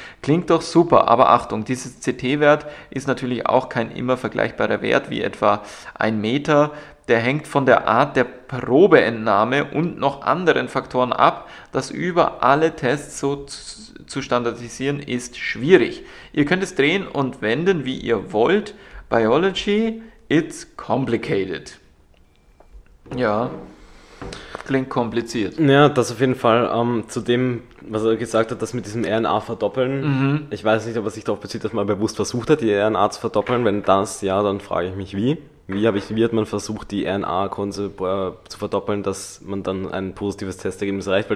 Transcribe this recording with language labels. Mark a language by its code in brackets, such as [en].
[de] Klingt doch super, aber Achtung, dieses CT-Wert ist natürlich auch kein immer vergleichbarer Wert, wie etwa ein Meter. Der hängt von der Art der Probeentnahme und noch anderen Faktoren ab. Das über alle Tests so zu standardisieren ist schwierig. Ihr könnt es drehen und wenden, wie ihr wollt. [en] Biology, it's complicated. [de] Ja, klingt kompliziert. Ja, das auf jeden Fall. Zu dem, was er gesagt hat, das mit diesem RNA verdoppeln. Mhm. Ich weiß nicht, ob er sich darauf bezieht, dass man bewusst versucht hat, die RNA zu verdoppeln. Wenn das ja, dann frage ich mich, wie. Wie hat man versucht, die RNA-Konse zu verdoppeln, dass man dann ein positives Testergebnis erreicht?